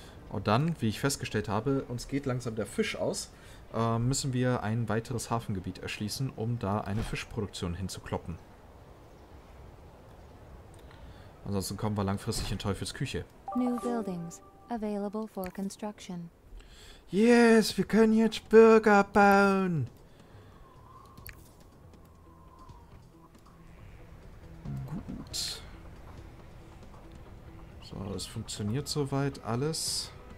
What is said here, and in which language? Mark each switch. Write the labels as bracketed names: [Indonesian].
[German] Und dann, wie ich festgestellt habe, uns geht langsam der Fisch aus, müssen wir ein weiteres Hafengebiet erschließen, um da eine Fischproduktion hinzukloppen. Ansonsten kommen wir langfristig in Teufels Küche. [English] New buildings available for construction. [German] Yes, wir können jetzt Burger bauen. Gut. So, es funktioniert soweit alles.